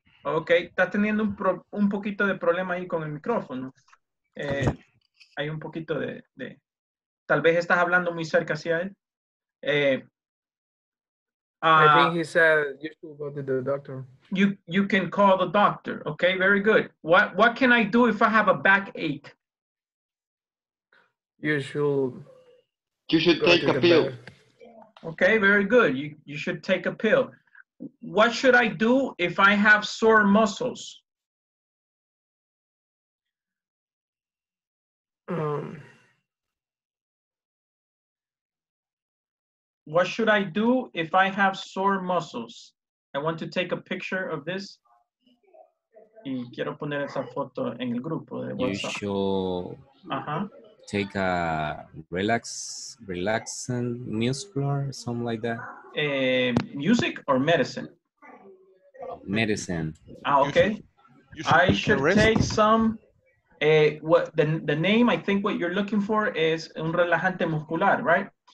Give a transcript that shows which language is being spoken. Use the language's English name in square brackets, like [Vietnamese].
[Spanish] Okay, está teniendo un poquito de problema ahí con el micrófono. Hay un poquito de... Tal vez estás hablando muy cerca hacia él. [English] I think he said you should go to the doctor. You can call the doctor. Okay, very good. What can I do if I have a backache? You should take a pill. Okay, very good. You should take a pill. What should I do if I have sore muscles? What should I do if I have sore muscles? I want to take a picture of this. [Spanish] Y quiero poner esa foto en el grupo de WhatsApp. [English] You should take a relaxing muscular, something like that. Music or medicine? Medicine. Ah, okay. I should take some. The name, I think what you're looking for is [Spanish] un relajante muscular, [English] right?